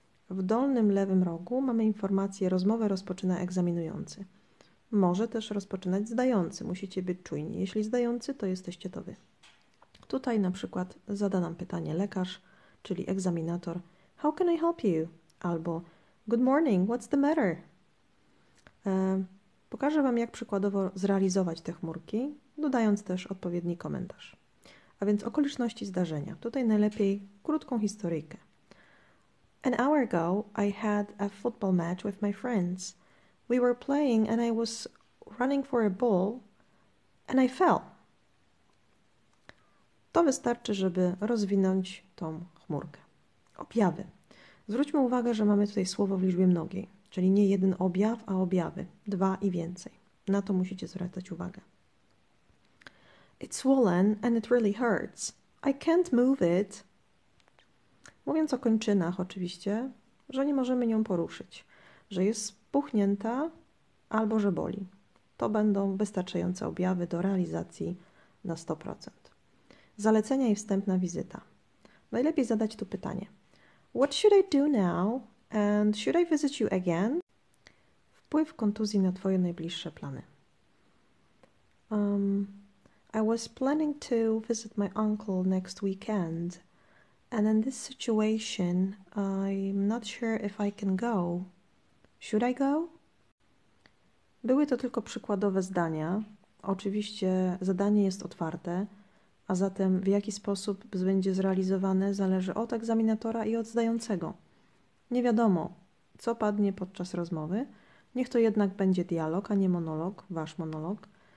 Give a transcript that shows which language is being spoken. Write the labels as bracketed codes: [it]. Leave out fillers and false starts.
[pl] W dolnym lewym rogu mamy informację: rozmowę rozpoczyna egzaminujący. Może też rozpoczynać zdający, musicie być czujni. Jeśli zdający, to jesteście to wy. Tutaj na przykład zada nam pytanie lekarz, czyli egzaminator: [en] How can I help you? [pl] Albo [en] Good morning, what's the matter? [pl] Pokażę Wam, jak przykładowo zrealizować te chmurki, dodając też odpowiedni komentarz. A więc okoliczności zdarzenia. Tutaj najlepiej krótką historyjkę. [en] An hour ago, I had a football match with my friends. We were playing and I was running for a ball and I fell. [pl] To wystarczy, żeby rozwinąć tą chmurkę. Objawy. Zwróćmy uwagę, że mamy tutaj słowo w liczbie mnogiej. Czyli nie jeden objaw, a objawy. Dwa i więcej. Na to musicie zwracać uwagę. [en] It's swollen and it really hurts. I can't move it. [pl] Mówiąc o kończynach oczywiście, że nie możemy nią poruszyć. Że jest spuchnięta albo że boli. To będą wystarczające objawy do realizacji na 100%. Zalecenia i wstępna wizyta. Najlepiej zadać tu pytanie. [en] What should I do now? And should I visit you again? [pl] Wpływ kontuzji na Twoje najbliższe plany. [en] I was planning to visit my uncle next weekend. And in this situation, I'm not sure if I can go. Should I go? [pl] Były to tylko przykładowe zdania. Oczywiście zadanie jest otwarte, a zatem w jaki sposób będzie zrealizowane zależy od egzaminatora i od zdającego. Nie wiadomo, co padnie podczas rozmowy. Niech to jednak będzie dialog, a nie monolog, wasz monolog.